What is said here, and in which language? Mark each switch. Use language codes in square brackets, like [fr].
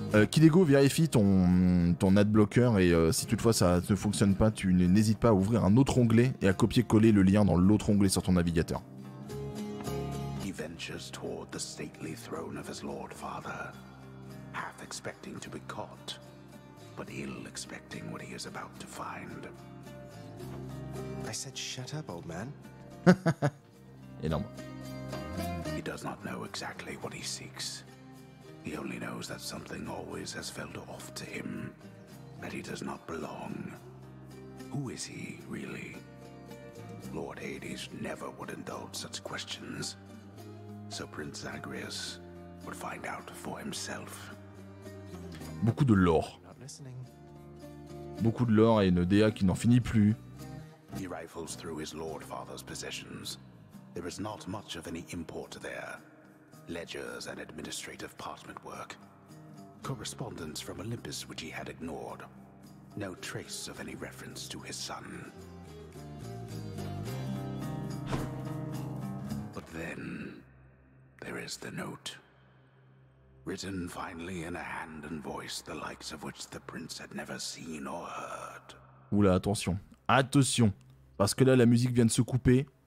[fr] Kidego, vérifie ton adblocker et si toutefois ça ne fonctionne pas, tu n'hésites pas à ouvrir un autre onglet et à copier-coller le lien dans l'autre onglet sur ton navigateur. [en] He ventures toward the stately throne of his lord father, half expecting to be caught, but ill expecting what he is about to find. I said shut up, old man. [fr] Énorme. [en] He does not know exactly what he seeks. He only knows that something always has felt off to him, that he does not belong. Who is he, really? Lord Hades never would indulge such questions. So Prince Zagreus would find out for himself. [fr] Beaucoup de lore. Beaucoup de lore et une DA qui n'en finit plus. [en] He rifles through his lord father's possessions. There is not much of any import there. Ledgers and administrative parchment work. Correspondence from Olympus which he had ignored. No trace of any reference to his son. But then, there is the note. Written finally in a hand and voice the likes of which the prince had never seen or heard. [fr] Oula, attention. Attention. Parce que là, la musique vient de se couper.